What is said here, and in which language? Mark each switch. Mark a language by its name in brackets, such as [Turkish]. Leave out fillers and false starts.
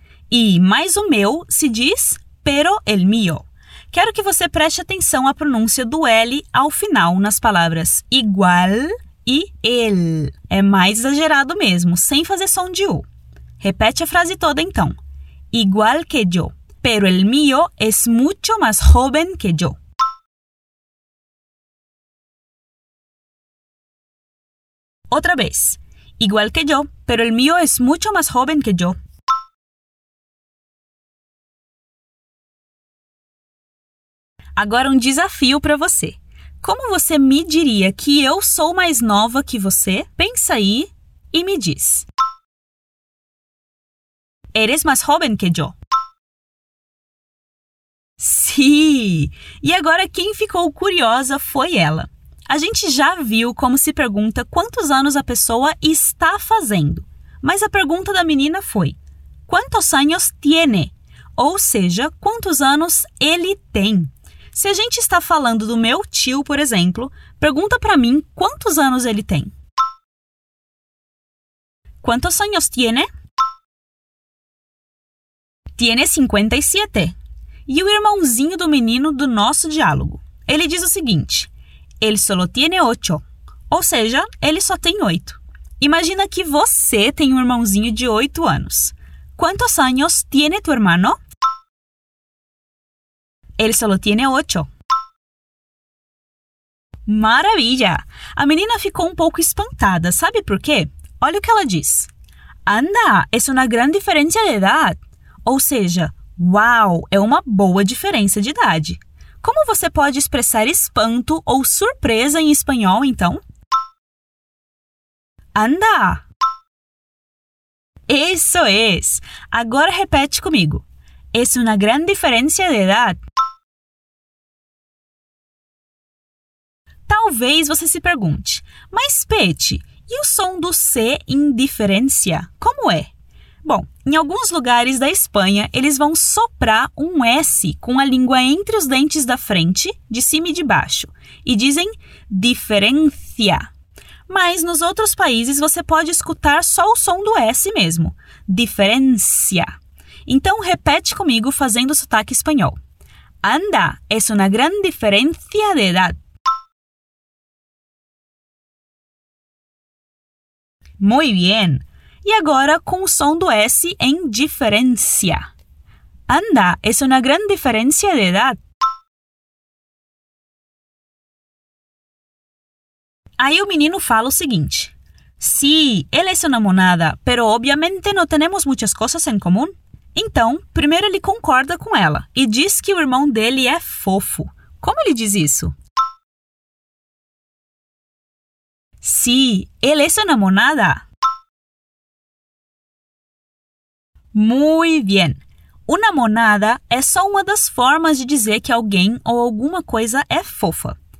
[Portuguese] E mais o meu se diz [Spanish] pero el mío. [Portuguese] Quero que você preste atenção à pronúncia do L ao final nas palavras igual e el. É mais exagerado mesmo, sem fazer som de U. Repete a frase toda, então. [Spanish] Igual que yo, pero el mío es mucho más joven que yo. [Portuguese] Outra vez. [Spanish] Igual que yo, pero el mío es mucho más joven que yo. [Portuguese] Agora um desafio para você. Como você me diria que eu sou mais nova que você? Pensa aí e me diz. [Spanish] Eres más joven que yo. Sí! [Portuguese] E agora quem ficou curiosa foi ela. A gente já viu como se pergunta quantos anos a pessoa está fazendo. Mas a pergunta da menina foi: [Spanish] ¿Cuántos años tiene? [Portuguese] Ou seja, quantos anos ele tem? Se a gente está falando do meu tio, por exemplo, pergunta para mim quantos anos ele tem. [Spanish] ¿Cuántos años tiene? Tiene 57. [Portuguese] E o irmãozinho do menino do nosso diálogo? Ele diz o seguinte: [Spanish] Él solo tiene 8. [Portuguese] Ou seja, ele só tem 8. Imagina que você tem um irmãozinho de 8 anos. [Spanish] ¿Cuántos años tiene tu hermano? Él solo tiene 8. [Portuguese] Maravilha! A menina ficou um pouco espantada, sabe por quê? Olha o que ela diz. [Spanish] Anda, es una gran diferencia de edad. [Portuguese] Ou seja, uau, é uma boa diferença de idade. Como você pode expressar espanto ou surpresa em espanhol, então? Anda! [Spanish] Eso es. [Portuguese] Agora repete comigo. [Spanish] Es una gran diferencia de edad. [Portuguese] Talvez você se pergunte, mas Pete, e o som do C em diferença, como é? Bom, em alguns lugares da Espanha, eles vão soprar um S com a língua entre os dentes da frente, de cima e de baixo, e dizem diferencia. Mas nos outros países você pode escutar só o som do S mesmo, diferencia. Então repete comigo fazendo sotaque espanhol. [Spanish] Anda, es una gran diferencia de edad. Muy bien. [Portuguese] E agora com o som do S em diferencia. [Spanish] Anda, es una gran diferencia de edad. [Portuguese] Aí o menino fala o seguinte. [Spanish] Sí, él es una monada, pero obviamente no tenemos muchas cosas en común. [Portuguese] Então, primeiro ele concorda com ela e diz que o irmão dele é fofo. Como ele diz isso? [Spanish] Sí, él es una monada. Muy bien. [Portuguese] Una monada é só uma das formas de dizer que alguém ou alguma coisa é fofa.